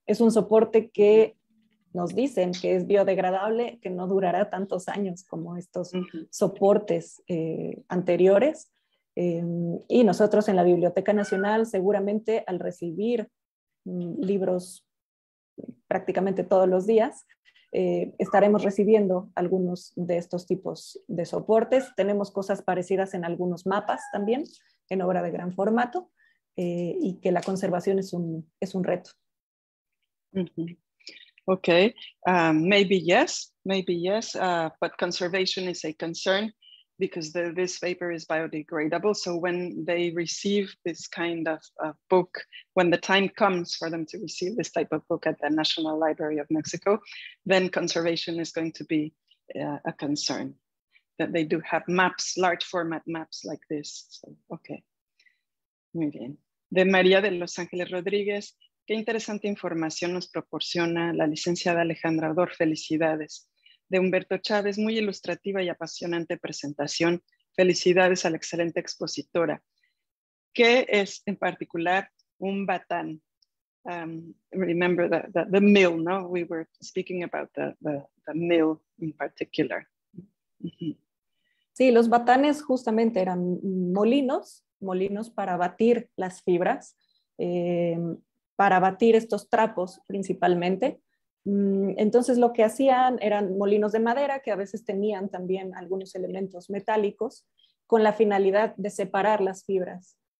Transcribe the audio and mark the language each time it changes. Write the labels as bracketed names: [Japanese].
[Spanish] Es un soporte que nos dicen que es biodegradable, que no durará tantos años como estos soportes anteriores, y nosotros en la Biblioteca Nacional seguramente al recibir libros prácticamente todos los días, estaremos recibiendo algunos de estos tipos de soportes. Tenemos cosas parecidas en algunos mapas también, en obra de gran formato, y que la conservación es un reto. Mm-hmm. [English] Okay, maybe yes, but conservation is a concern because this paper is biodegradable. So when they receive this kind of book, when the time comes for them to receive this type of book at the National Library of Mexico, then conservation is going to be a concern, that they do have maps, large format maps like this. [Spanish] So, okay, muy bien. De María de Los Ángeles Rodríguez, qué interesante información nos proporciona la licenciada Alejandra Ador, felicidades. De Humberto Chávez, muy ilustrativa y apasionante presentación. Felicidades a la excelente expositora. ¿Qué es en particular un batán? [English] Remember the mill, no? We were speaking about the mill in particular. [Spanish] Sí, los batanes justamente eran molinos para batir las fibras, para batir estos trapos principalmente. Entonces lo que hacían eran molinos de madera que a veces tenían también algunos elementos metálicos con la finalidad de separar las fibras.